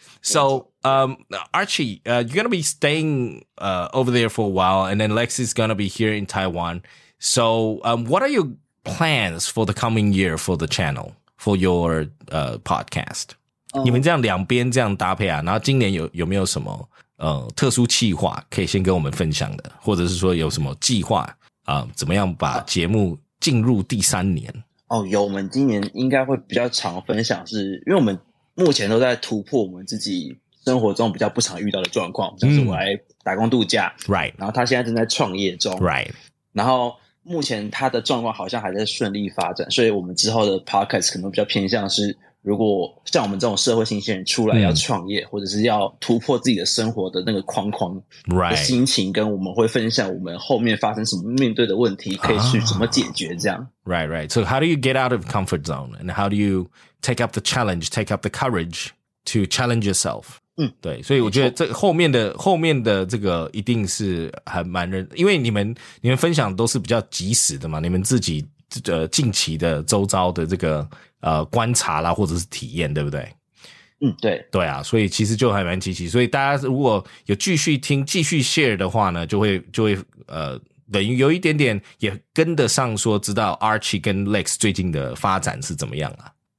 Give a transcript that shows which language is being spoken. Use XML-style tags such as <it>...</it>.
<en>So, Archie, you're gonna be staying, over there for a while, and then Lex is gonna be here in Taiwan. So, what are your plans for the coming year for the channel, for your, podcast?</en> <zh>你们这样两边这样搭配啊，然后今年有没有什么特殊企划可以先跟我们分享的，或者是说有什么计划怎么样把节目进入第三年？哦，有，我们今年应该会比较常分享，是因为我们目前都在突破我们自己生活中比较不常遇到的状况，像是我来打工度假</zh> <en>，right，</en> <zh>然后他现在正在创业中</zh> <en>，right，</en> <zh>然后目前他的状况好像还在顺利发展，所以我们之后的 podcast 可能比较偏向是。如果像我们这种社会新鲜人出来要创业，或者是要突破自己的生活的那个框框的心情，跟我们会分享我们后面发生什么面对的问题，可以去怎么解决这样。</zh> <en>Right, right. So how do you get out of comfort zone and how do you take up the challenge, take up the courage to challenge yourself?</en> <zh>对，所以我觉得这后面的这个一定是还蛮认，因为你们分享都是比较及时的嘛，你们自己近期的周遭的这个观察啦，或者是体验，对不对？对，对啊，所以其实就还蛮积极，所以大家如果有继续听、继续 share 的话呢，就会等于有一点点也跟得上，说知道 Archie 跟 Lex 最近的发展是怎么样啊？</zh>